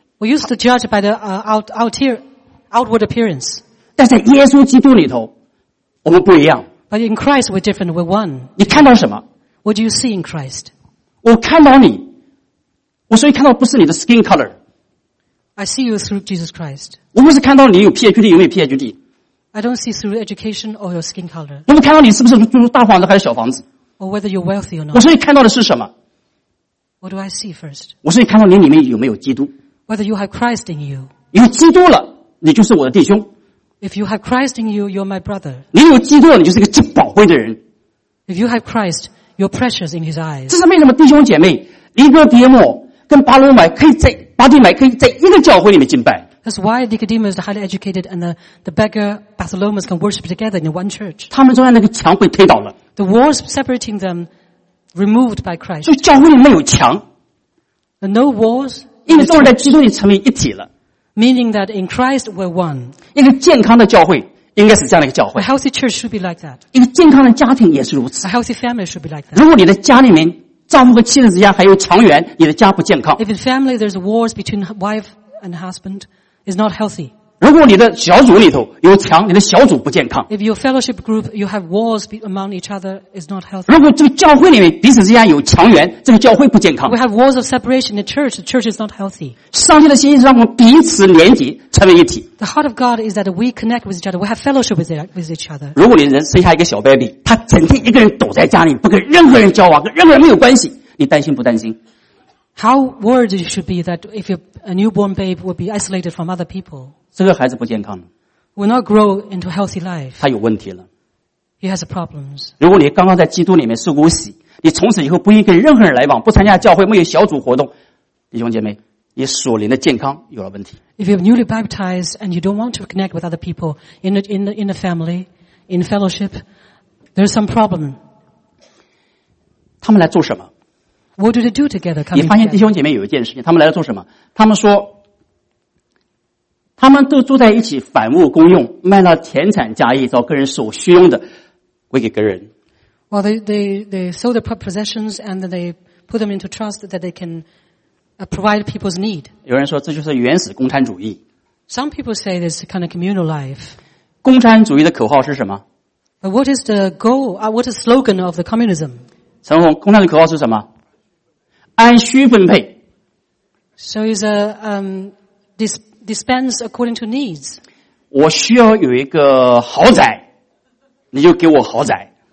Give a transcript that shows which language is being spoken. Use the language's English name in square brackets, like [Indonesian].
[English] We used to judge by the outward appearance. [Chinese] 但在耶稣基督里头，我们不一样。 [English] But in Christ, we're different. We're one. [Chinese] 你看到什么 [English] ？What do you see in Christ? [Chinese] 我看到你，我所以看到不是你的 [English] skin color. I see you through Jesus Christ. [Chinese] 我不是看到你有 PhD 有没有 PhD. [English] I don't see through education or your skin color. [Chinese] 我不看到你是不是住大房子还是小房子 [English] ？Or whether you're wealthy or not. [Chinese] 我所以看到的是什么 [English] ？What do I see first? [Chinese] 我所以看到你里面有没有基督 [English] ？Whether you have Christ in you. [Chinese] 有基督了，你就是我的弟兄。 [English] If you have Christ in you, you're my brother. [Chinese] 你有基督了，你就是一个极宝贵的人。 [English] If you have Christ, you're precious in His eyes. [Chinese] 这是为什么弟兄姐妹，尼哥底母跟巴罗买可以在巴底买可以在一个教会里面敬拜。 [English] That's why Nicodemus, the highly educated, and the beggar Bartholomew can worship together in one church. [Chinese] 他们中间那个墙被推倒了。 [English] The walls separating them removed by Christ. [Chinese] 所以教会里没有墙。 [English] No walls. [Chinese] 因为都是在基督里成为一体了。 [English] Meaning that in Christ we're one. [Chinese] 一个健康的教会应该是这样的一个教会。 [English] A healthy church should be like that. [Chinese] 一个健康的家庭也是如此。 [English] A healthy family should be like that. [Chinese] 如果你的家里面丈夫和妻子之间还有墙垣，你的家不健康。 [English] If in family there's wars between wife and husband, it's not healthy. [Chinese] 如果你的小组里头有墙，你的小组不健康。 [English] If your fellowship group you have walls among each other, it's not healthy. [Chinese] 如果这个教会里面彼此之间有墙垣，这个教会不健康。 [English] We have walls of separation in the church is not healthy. [Chinese] 上帝的心意是让我们彼此连结，成为一体。 [English] The heart of God is that we connect with each other. We have fellowship with each other. [Chinese] 如果你人生下一个小 baby, 他整天一个人躲在家里，不跟任何人交往，跟任何人没有关系，你担心不担心？ [English] How worried you should be that if a newborn babe will be isolated from other people. [Chinese] 这个孩子不健康的。 [English] Will not grow into healthy life. [Chinese] 他有问题了。 [English] He has problems. [Chinese] 如果你刚刚在基督里面受过洗，你从此以后不应跟任何人来往，不参加教会，没有小组活动，弟兄姐妹，你属灵的健康有了问题。 [English] If you're newly baptized and you don't want to connect with other people in the family, in fellowship, there's some problem. [Chinese] 他们来做什么？ [English] What do they do together? [Chinese] 你发现弟兄姐妹有一件事情，他们来做什么？他们说，他们都住在一起，反目公用，卖了田产家业，找个人所需用的，归给个人。 [English] Well, they sold their possessions and they put them into trust that they can provide people's need. [Chinese] 有人说这就是原始共产主义。 [English] Some people say this kind of communal life. [Chinese] 共产主义的口号是什么 [English] ？But what is the goal? What is the slogan of the communism? [Chinese] 陈红，共产的口号是什么？按需分配。 [English] So is a dispense according to needs. [Chinese] 我需要有一个豪宅，你就给我豪宅。